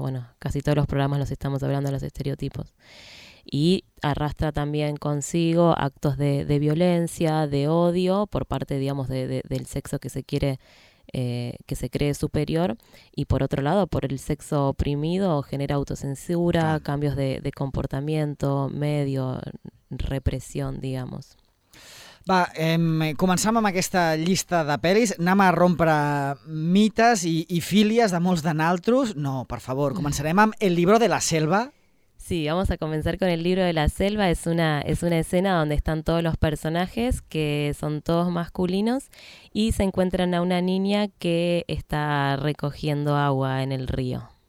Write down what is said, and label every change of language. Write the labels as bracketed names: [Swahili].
[Spanish] Bueno, casi todos los programas los estamos hablando de los estereotipos. Y arrastra también consigo actos de violencia, de odio por parte, digamos, del sexo que se quiere, que se cree superior. Y por otro lado, por el sexo oprimido, genera autocensura, claro. Cambios de comportamiento, medio, represión, digamos. [Catalan] Va, començam amb aquesta llista de pel·lis. Anem a rompre mites i fílies de molts de naltros. No, per favor, començarem amb El libro de la selva. [Spanish] Sí, vamos a comenzar con El libro de la selva. Es una escena donde están todos los personajes, que son todos masculinos, y se encuentran a una niña que está recogiendo agua en el río.